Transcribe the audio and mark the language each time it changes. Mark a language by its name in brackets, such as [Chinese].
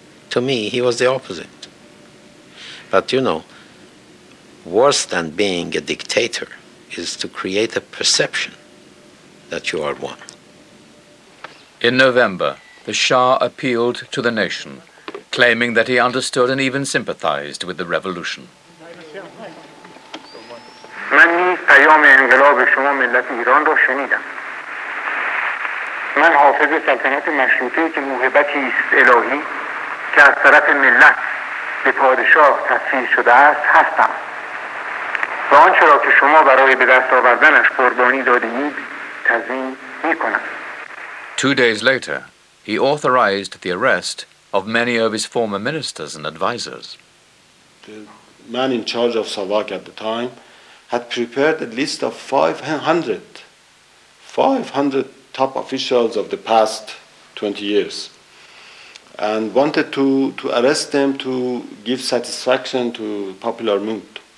[English] To me, he was the opposite. But you know, worse than being a dictator is to create a perception that you are one. In November, the Shah appealed to the nation, claiming that he understood and even sympathized with the revolution. [Persian] من نیز پیام انقلاب شما ملت ایران را شنیدم. من حافظ سلطنت مشروطه که موهبتی است الهی که از طرف ملت به پادشاه تسلیم شده است هستم. و آنچه را که شما برای به دست آوردنش قربانی دادید تضمین می‌کنم. [English] Two days later, he authorized the arrest of many of his former ministers and advisors. The man in charge of Savak at the time had prepared a list of 500 top officials of the past 20 years and wanted to arrest them to give satisfaction to popular mood.